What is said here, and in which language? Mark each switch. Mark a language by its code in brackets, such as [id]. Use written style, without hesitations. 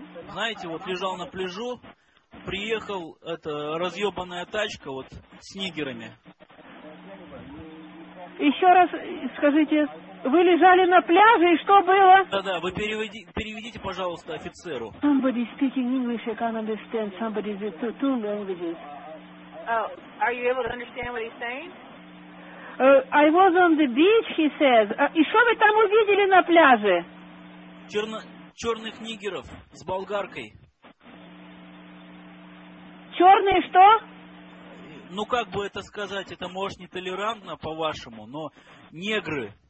[ru] Знаете, вот лежал на пляжу, приехал эта разъебанная тачка вот с нигерами. Еще раз скажите, вы лежали на пляже, и что было? Да-да, вы переведите, пожалуйста, офицеру. [en] Somebody speaking English, I can't understand. Somebody is two languages. Oh, are you able to understand what he's saying? I was on the beach, he says. [ru] И что вы там увидели на пляже? Черных нигеров с болгаркой. Черные что? Ну, как бы это сказать, это, может, не толерантно, по-вашему, но негры.